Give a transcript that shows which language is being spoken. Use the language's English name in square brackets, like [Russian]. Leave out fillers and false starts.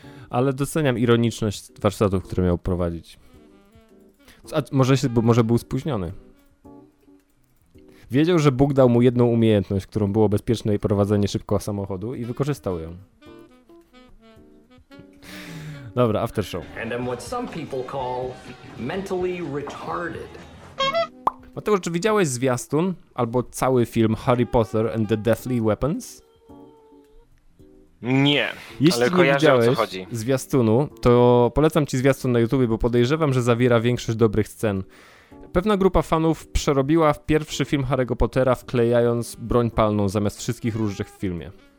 [Polish] Ale doceniam ironiczność warsztatów, które miał prowadzić. Może był spóźniony. Wiedział, że Bóg dał mu jedną umiejętność, którą było bezpieczne prowadzenie szybko samochodu i wykorzystał ją. Dobra, [English] after show. And I'm what some people call mentally retarded. [Polish] Mateusz, czy widziałeś zwiastun albo cały film Harry Potter and the Deathly Weapons? Nie, jeśli ale kojarzę, nie widziałeś zwiastunu, to polecam ci zwiastun na YouTubie, bo podejrzewam, że zawiera większość dobrych scen. Pewna grupa fanów przerobiła pierwszy film Harry'ego Pottera, wklejając broń palną zamiast wszystkich różnych w filmie.